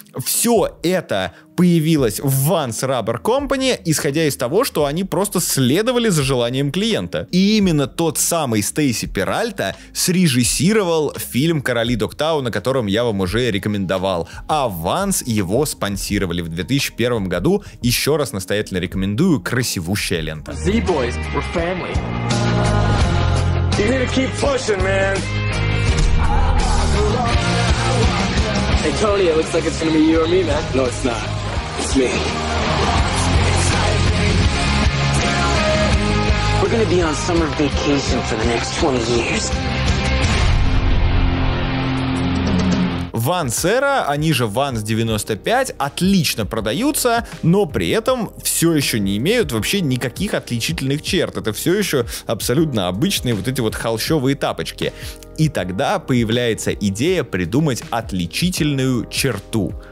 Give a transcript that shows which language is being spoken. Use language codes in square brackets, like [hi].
[ru] Все это появилось в Vans Rubber Company, исходя из того, что они просто следовали за желанием клиента. И именно тот самый Стейси Перальта срежиссировал фильм «Короли Догтауна», котором я вам уже рекомендовал. А Vans его спонсировали в 2001 году. Еще раз настоятельно рекомендую, красивущая лента. [en] Z-Boys, we're family. You need to keep pushing, man. Hey, Tony, it looks like it's gonna be you or me, man. No, it's not. It's me. We're gonna be on summer vacation for the next 20 years. [ru] Vans Era, они же Vans 95, отлично продаются, но при этом все еще не имеют вообще никаких отличительных черт. Это все еще абсолютно обычные вот эти вот холщовые тапочки. И тогда появляется идея придумать отличительную черту.